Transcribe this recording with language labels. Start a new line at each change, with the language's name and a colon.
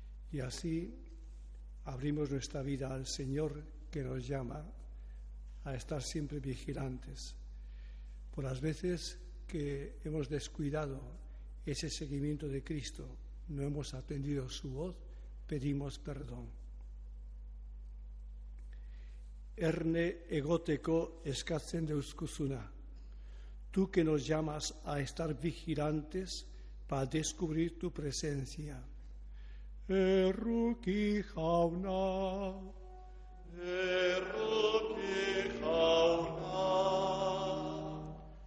Spanish: Y así abrimos nuestra vida al Señor que nos llama a estar siempre vigilantes. Por las veces que hemos descuidado ese seguimiento de Cristo, no hemos atendido su voz, pedimos perdón.
Basque: Erne egoteko eskatzen deuskuzuna.
Spanish: tú que nos llamas a estar vigilantes para descubrir tu presencia.
Basque: Erruki jauna, erruki jauna,